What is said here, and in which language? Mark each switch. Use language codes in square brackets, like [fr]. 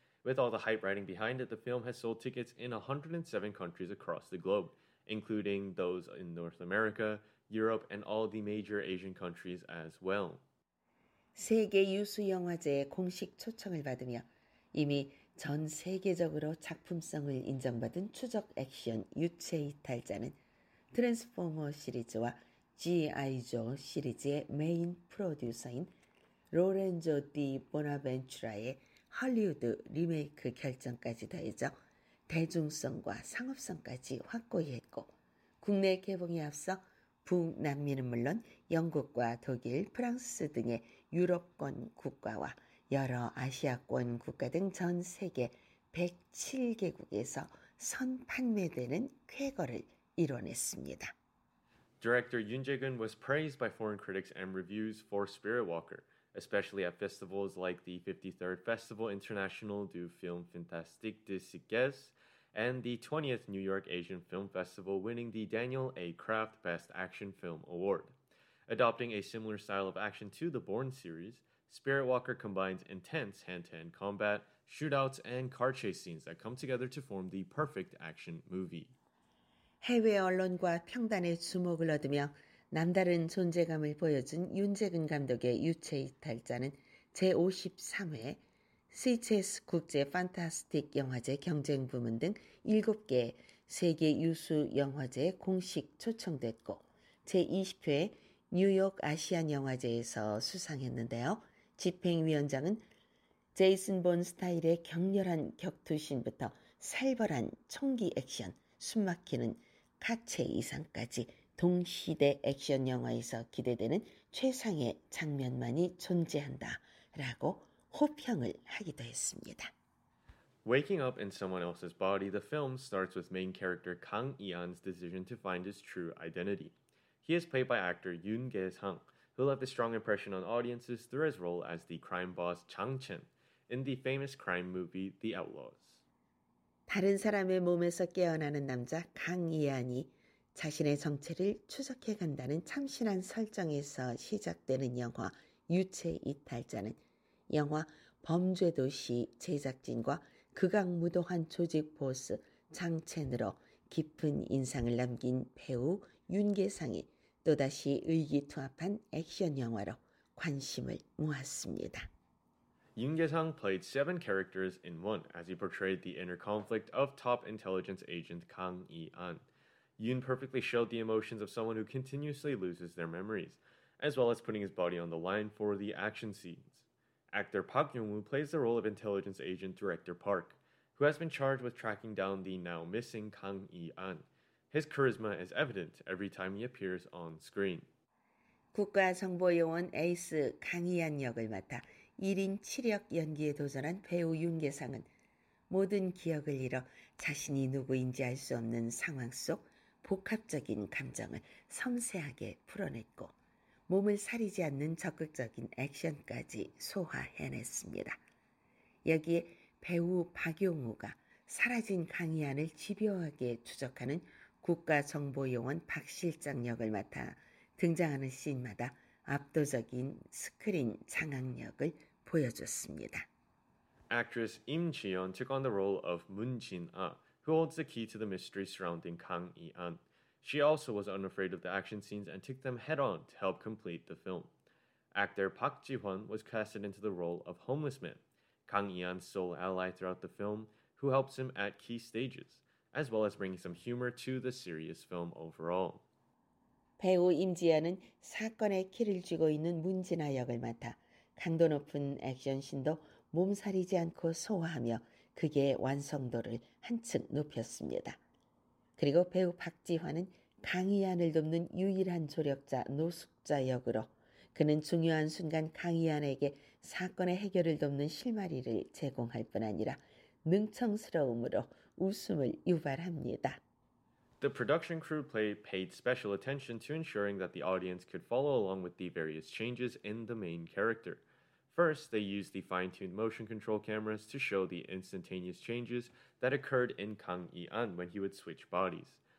[en] With all the hype riding behind it, the film has sold tickets in 107 countries across the globe, including those in North America, Europe, and all the major Asian countries as well. [ko] 세계 유수 영화제의 공식 초청을 받으며 이미 전 세계적으로 작품성을 인정받은 추적 액션 유체 이탈자는 트랜스포머 시리즈와 G.I. Joe 시리즈의 메인 프로듀서인 로렌조 디 보나벤츄라의 할리우드 리메이크 결정까지 더해져 대중성과 상업성까지 확고히 했고 국내 개봉에 앞서 북남미는 물론 영국과 독일, 프랑스 등의 유럽권 국가와 여러 아시아권 국가 등 전 세계 107개국에서 선판매되는 쾌거를 이뤄냈습니다. [en] Director Yoon Jae-geun was praised by foreign critics and reviews for Spirit Walker, especially at festivals like the 53rd Festival International du Film Fantastique de Sitges and the 20th New York Asian Film Festival, winning the Daniel A. Kraft Best Action Film Award. Adopting a similar style of action to the Bourne series, Spirit Walker combines intense hand-to-hand combat, shootouts, and car chase scenes that come together to form the perfect action movie. [ko] 해외 언론과 평단의 주목을 얻으며 남다른 존재감을 보여준 윤재근 감독의 유체 이탈자는 제53회 CCS 국제 판타스틱 영화제 경쟁 부문 등 7개 세계 유수 영화제에 공식 초청됐고 제20회 뉴욕 아시안 영화제에서 수상했는데요. 집행위원장은 제이슨 본 스타일의 격렬한 격투신부터 살벌한 총기 액션, 숨막히는 카체 이상까지 동시대 액션 영화에서 기대되는 최상의 장면만이 존재한다라고 호평을 하기도 했습니다. [en] Waking up in someone else's body, the film starts with main character Kang Ian's decision to find his true identity. He is played by actor Yoon Ge-sang, who left a strong impression on audiences through his role as the crime boss Chang Chen in the famous crime movie The Outlaws. [ko] 다른 사람의 몸에서 깨어나는 남자 강이안이 자신의 정체를 추적해 간다는 참신한 설정에서 시작되는 영화 유체 이탈자는 영화 범죄 도시 제작진과 극악무도한 조직 보스 장첸으로 깊은 인상을 남긴 배우 윤계상이 또다시 의기투합한 액션 영화로 관심을 모았습니다. [en] Yoon Ge-sang played seven characters in one as he portrayed the inner conflict of top intelligence agent Kang Yi-an. Yoon perfectly showed the emotions of someone who continuously loses their memories, as well as putting his body on the line for the action scenes. Actor Park Yong-woo plays the role of intelligence agent Director Park, who has been charged with tracking down the now-missing Kang Yi-an. His charisma is evident every time he appears on screen. [ko] 국가정보요원 에이스 Kang Yi-an 역을 맡아 1인 7역 연기에 도전한 배우 윤계상은 모든 기억을 잃어 자신이 누구인지 알 수 없는 상황 속 복합적인 감정을 섬세하게 풀어냈고 몸을 사리지 않는 적극적인 액션까지 소화해냈습니다. 여기에 배우 박용우가 사라진 강희안을 집요하게 추적하는 국가정보요원 박실장 역을 맡아 등장하는 씬마다 압도적인 스크린 장악력을 보여줬습니다. [en] Actress Im Ji-yeon took on the role of Moon Jin-ah, who holds the key to the mystery surrounding Kang Yi-an. She also was unafraid of the action scenes and took them head-on to help complete the film. Actor Park Ji-hwan was casted into the role of Homeless Man, Kang Yi-an's sole ally throughout the film, who helps him at key stages, as well as bringing some humor to the serious film overall. [ko] 배우 Im Ji-yeon은 사건의 키를 쥐고 있는 Moon Jin-ah 역을 맡아 강도 높은 액션 신도 몸살이지 않고 소화하며 그게 완성도를 한층 높였습니다. 그리고 배우 박지환은 강희안을 돕는 유일한 조력자 노숙자 역으로 그는 중요한 순간 강희안에게 사건의 해결을 돕는 실마리를 제공할 뿐 아니라 능청스러움으로 웃음을 유발합니다. [en] The production crew paid special attention to ensuring that the audience could follow along with the various changes in the main character. First, they used the fine-tuned motion control cameras to show the instantaneous changes that occurred in Kang Yi-an when he would switch bodies.